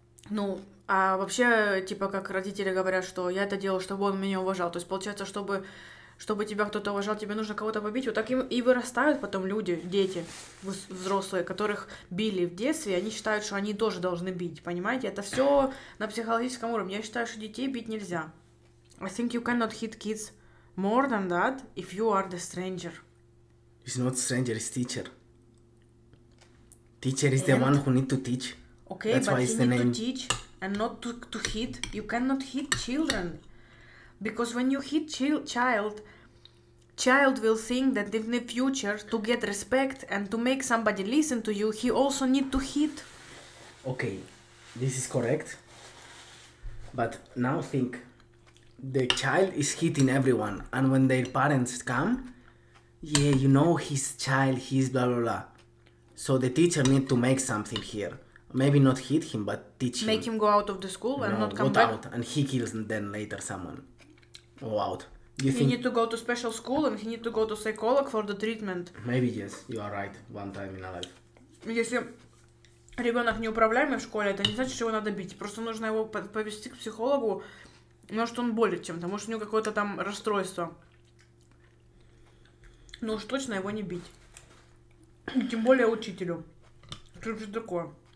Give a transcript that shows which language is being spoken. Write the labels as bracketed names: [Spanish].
[Russian] Ну, а вообще, типа, как родители говорят, что я это делал, чтобы он меня уважал. То есть, получается, чтобы тебя кто-то уважал, тебе нужно кого-то побить. Вот так и вырастают потом люди, дети, взрослые, которых били в детстве, и они считают, что они тоже должны бить, понимаете? Это все на психологическом уровне. Я считаю, что детей бить нельзя. [English] I think you cannot hit kids more than that if you are the stranger. It's not stranger, it's teacher. Teacher is the one who need to teach. Okay, that's but you need name. To teach and not to hit. You cannot hit children. Because when you hit child will think that in the future, to get respect and to make somebody listen to you, he also need to hit. Okay, this is correct. But now think, the child is hitting everyone. And when their parents come, yeah, you know his child, he's blah, blah, blah. So the teacher need to make something here. Maybe not hit him, but teach him. Make him go out of the school and no, not come back. Out, and he kills then later someone. Go out. You he think... need to go to special school and he need to go to psychologist for the treatment. Maybe yes, you are right. One time in a life. [Russian] Если ребенок неуправляемый в школе, это не значит, что его надо бить. Просто нужно его повести к психологу, может, он болит чем-то, может, у него какое-то там расстройство. Но уж точно его не бить. И тем более учителю. Что же такое?